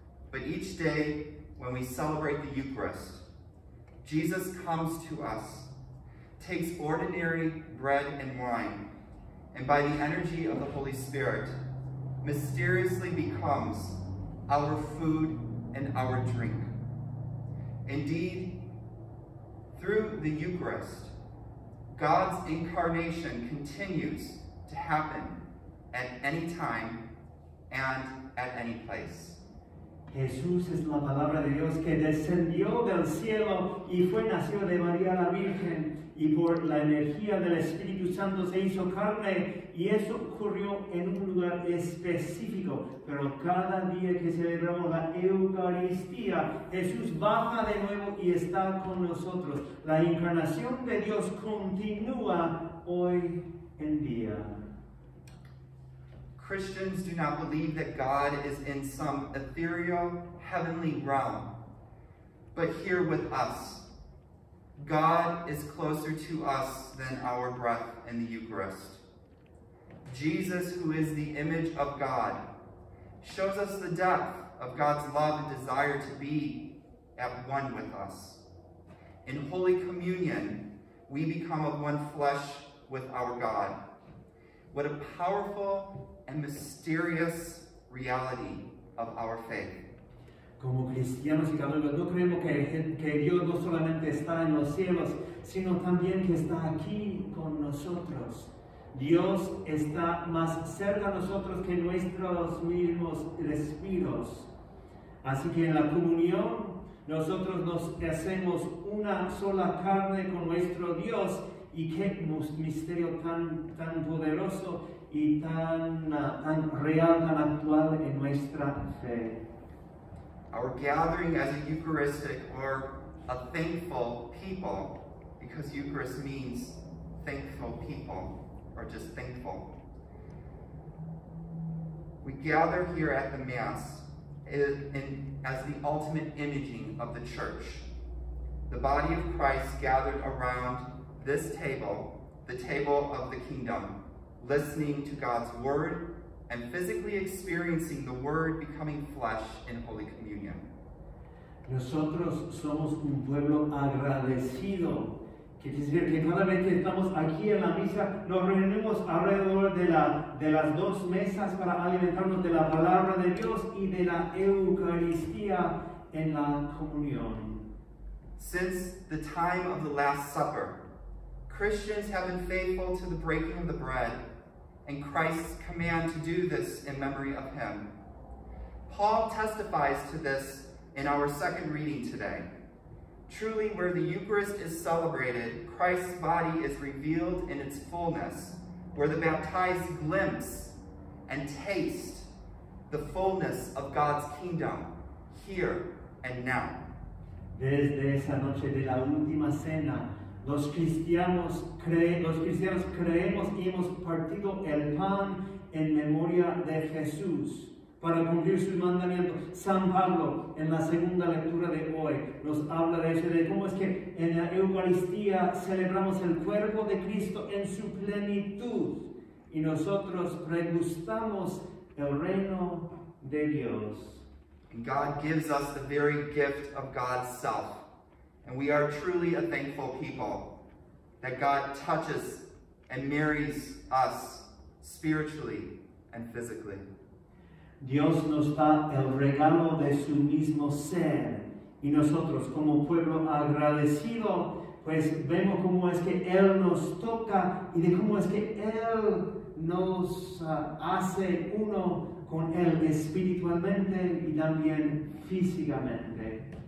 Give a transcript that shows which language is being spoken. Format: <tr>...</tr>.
<en>But each day when we celebrate the Eucharist, Jesus comes to us, takes ordinary bread and wine, and by the energy of the Holy Spirit, mysteriously becomes our food and our drink. Indeed, through the Eucharist, God's incarnation continues to happen at any time and at any place.</en> <es>Jesús es la palabra de Dios que descendió del cielo y fue nacido de María la Virgen, y por la energía del Espíritu Santo se hizo carne, y eso ocurrió en un lugar específico. Pero cada día que celebramos la Eucaristía, Jesús baja de nuevo y está con nosotros. La encarnación de Dios continúa hoy en día.</es> <en>Christians do not believe that God is in some ethereal heavenly realm, but here with us. God is closer to us than our breath in the Eucharist. Jesus, who is the image of God, shows us the depth of God's love and desire to be at one with us. In Holy Communion, we become of one flesh with our God. What a powerful and mysterious reality of our faith.</en> <es>Como cristianos y católicos, no creemos que Dios no solamente está en los cielos, sino también que está aquí con nosotros. Dios está más cerca de nosotros que nuestros mismos respiros. Así que en la comunión, nosotros nos hacemos una sola carne con nuestro Dios. Y qué misterio tan poderoso y tan real, tan actual en nuestra fe.</es> <en>Our gathering as a Eucharistic or a thankful people, because Eucharist means thankful people or just thankful. We gather here at the Mass in as the ultimate imaging of the Church. The body of Christ gathered around this table, the table of the kingdom, listening to God's word and physically experiencing the word becoming flesh in Holy Communion.</en> <es>Nosotros somos un pueblo agradecido. Quiere decir que cada vez que estamos aquí en la misa, nos reunimos alrededor de las dos mesas para alimentarnos de la palabra de Dios y de la Eucaristía en la comunión.</es> <en>Since the time of the Last Supper, Christians have been faithful to the breaking of the bread and Christ's command to do this in memory of him. Paul testifies to this in our second reading today. Truly, where the Eucharist is celebrated, Christ's body is revealed in its fullness, where the baptized glimpse and taste the fullness of God's kingdom here and now.</en> <es>Desde esa noche de la última cena, los cristianos creemos y hemos partido el pan en memoria de Jesús para cumplir su mandamiento. San Pablo, en la segunda lectura de hoy, nos habla de eso, de cómo es que en la Eucaristía celebramos el cuerpo de Cristo en su plenitud y nosotros pregustamos el reino de Dios.</es> <en>God gives us the very gift of God's self, and we are truly a thankful people that God touches and marries us spiritually and physically.</en> <es>Dios nos da el regalo de su mismo ser, y nosotros como pueblo agradecido, pues vemos cómo es que Él nos toca y de cómo es que Él nos hace uno con Él espiritualmente y también físicamente.</es>